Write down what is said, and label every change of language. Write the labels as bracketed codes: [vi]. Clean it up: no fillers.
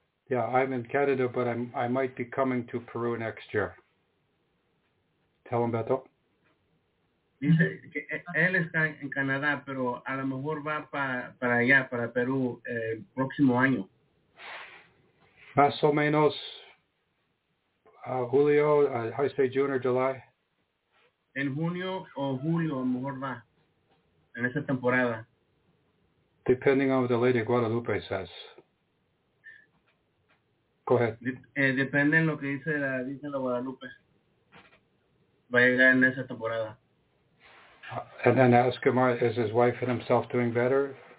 [en] Yeah, I'm in Canada, but I might be coming to Peru next year. Tell him, Beto. [es] Dice que él está en Canadá, pero a lo mejor va para allá, para Perú, el próximo año. Más o menos, [en] Julio, how do you say June or July? [es] En junio o julio, mejor va. En esa temporada. [en] Depending on what the Lady of Guadalupe says. Go ahead. [es] Depende en lo que dice la Virgen de Guadalupe. Va a llegar en esa temporada. [en] And then ask him, is his wife and himself doing better?